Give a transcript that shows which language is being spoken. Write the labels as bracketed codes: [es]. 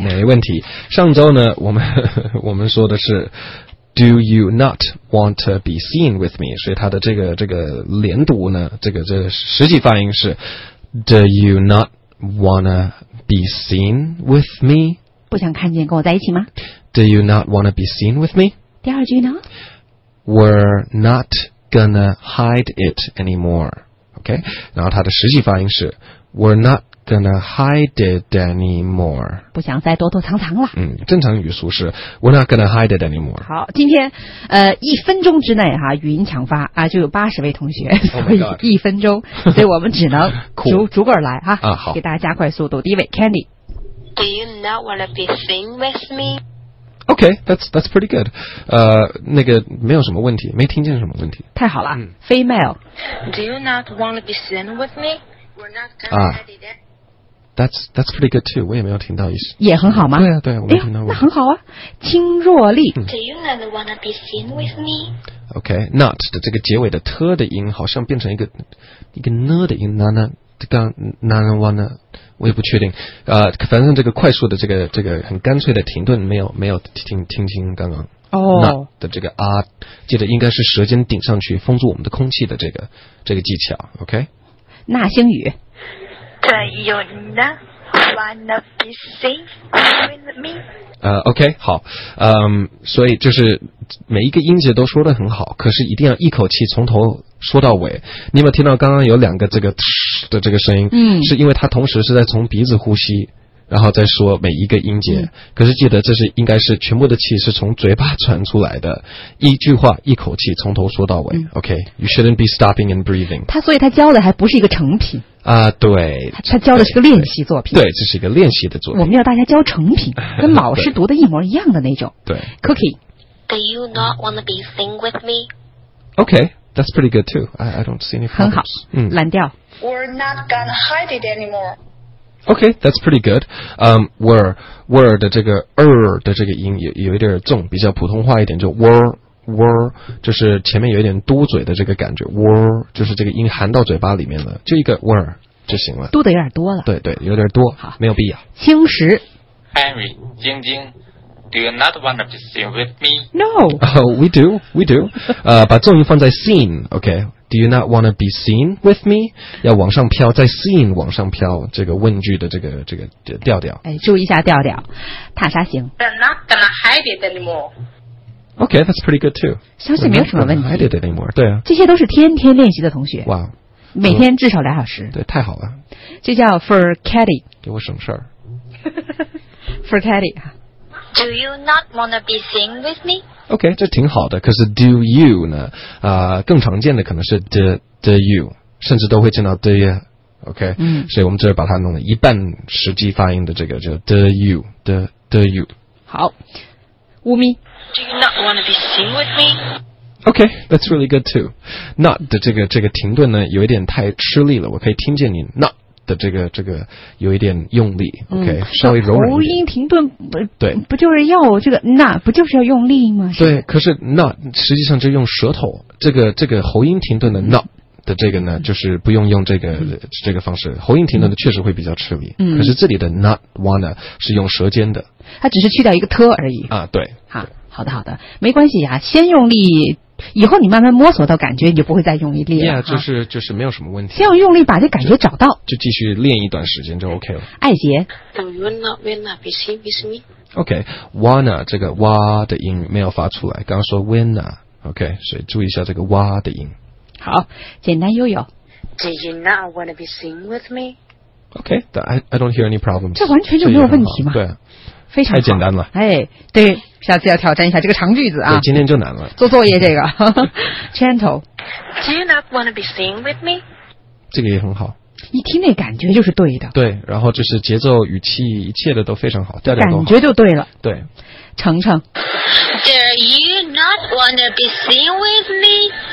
[zh] 没问题，上周呢我们说的是 [en] Do you not want to be seen with me， [zh] 所以它的这个连读呢，这个实际发音是 [en] Do you not want to be seen with me， [zh] 不想看见跟我在一起吗？ [en] Do you not want to be seen with me? [zh] 第二句呢？ [en] We're not gonna hide it anymore. Okay? [zh] 然后它的实际发音是 [en] We're not gonna hide it anymore. [zh] 不想再躲躲藏藏了。嗯，正常语速是 [en] We're not gonna hide it anymore. [zh] 好，今天一分钟之内哈，语音抢发啊，就有80位同学，所以一分钟，所以我们只能逐个来哈。啊，好，给大家加快速度。第一位 Candy。 [en] Do you not want to be seen with me? Okay, that's pretty good. [zh] 那个没有什么问题，没听见什么问题。太好了，female. [en] Do you not want to be seen with me? We're not gonna hide it. That's pretty good too. [zh] 我也没有听到一些。也很好吗？对啊，对啊，我没听到。那很好啊，听若厉。 [en] Do you not want to be seen with me? [zh] Okay, not 的这个结尾的 t 的音好像变成一个呢的音，那。刚 nine one 我也不确定，反正这个快速的这个很干脆的停顿没有听清刚刚哦的这个啊，接着应该是舌尖顶上去封住我们的空气的这个技巧 ，OK？那星宇，这有呢。 [en] Wanna be safe with me? [zh] OK, 好，所以就是每一个音节都说得很好，可是一定要一口气从头说到尾。你有没有听到刚刚有两个这个的这个声音？嗯，是因为他同时是在从鼻子呼吸，然后再说每一个音节。嗯、可是记得这是应该是全部的气是从嘴巴传出来的，一句话一口气从头说到尾。 [en] 嗯、OK, you shouldn't be stopping and breathing. [zh] 他所以他教的还不是一个成品。啊，对，他教的是个练习作品。对，这是一个练习的作品。我们要大家教成品，跟老师读的一模一样的那种。对，Cookie。 [en] Do you not want to be sing with me? Okay, that's pretty good too. I don't see any problems. [zh] 很好，嗯，蓝调。 [en] We're not gonna hide it anymore. Okay, that's pretty good. [zh] We're 的这个 的这个音有一点重，比较普通话一点，就 we're。 were 就是前面有一点嘟嘴的这个感觉 ，were 就是这个音含到嘴巴里面了，就一个 were 就行了。嘟的有点多了。对对，有点多。好，没有必要。青石 [en] ，Henry， 晶晶 ，Do you not want to be seen with me? No.、 We do, we do. [zh] 把重音放在 [en] seen. OK. Do you not want to be seen with me? [zh] 要往上飘，在 seen 往上飘，这个问句的这个调调。哎，注意一下调调。塔莎行。 [en] They're not gonna hide it anymore. Okay, that's pretty good too. [zh] 相信没有什么问题。 [en] I did it anymore. [zh] 对啊，这些都是天天练习的同学。哇、wow, ，每天至少两小时。对，太好了。这叫 for Caddy。给我什么事儿 [en] ？For Caddy. Do you not wanna be seen with me? [zh] Okay, 这挺好的。可是 Do you 呢？更常见的可能是 Do you， 甚至都会见到 Do you。Okay，嗯，所以我们这把它弄了一半实际发音的这个叫 Do you， Do you。好，乌咪。 [en] Do you not want to be seen with me? Okay, that's really good too. [zh] Not 的这个停顿呢，有一点太吃力了。我可以听见你 not 的这个有一点用力。 OK，、嗯、稍微柔软一点。喉音停顿，对，不就是要这个 not 不就是要用力吗？对，可是 not 实际上就用舌头，这个喉音停顿的 not 的这个呢，就是不用用这个方式。喉音停顿的确实会比较吃力。嗯、可是这里的 not wanna 是用舌尖的，它只是去掉一个 t 而已。啊，对，好。对好的好的，没关系啊，先用力，以后你慢慢摸索到感觉，你就不会再用力练了。 Yeah, 就是没有什么问题。先用力把这感觉找到，就继续练一段时间就 OK 了。艾杰 [en] ，Do you not wanna be seen with me? [zh] Okay, wanna 这个哇的音没有发出来，刚刚说 wanna, OK, 所以注意一下这个哇的音。好，简单悠悠。 [en] Do you not wanna be seen with me? Okay, I don't hear any problems. [zh] 这完全就没有问题嘛？对。非常太简单了，哎，对，下次要挑战一下这个长句子啊。对，今天就难了。做作业这个，gentle。 [en] Do you not want to be seen with me？ [zh] 这个也很好。一听那感觉就是对的。对，然后就是节奏、语气，一切的都非常好，调调感觉就对了。对，程程。 [en] Do you not want to be seen with me？